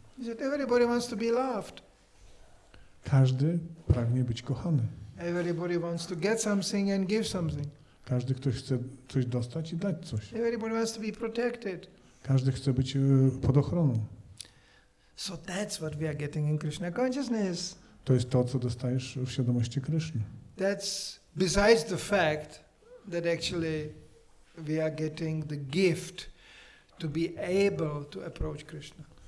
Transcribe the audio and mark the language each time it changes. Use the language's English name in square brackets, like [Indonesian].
[English] He said, everybody wants to be loved. [Polish] Każdy pragnie być kochany. [English] Everybody wants to get something and give something. [Polish] Każdy ktoś chce coś dostać i dać coś. [English] Everybody wants to be protected. [Polish] Każdy chce być pod ochroną. [English] So that's what we are getting in Krishna consciousness. [Polish] To jest to, co dostajesz w świadomości Kryszny. [English] That's besides the fact that actually we are getting the gift to be able to approach Krishna.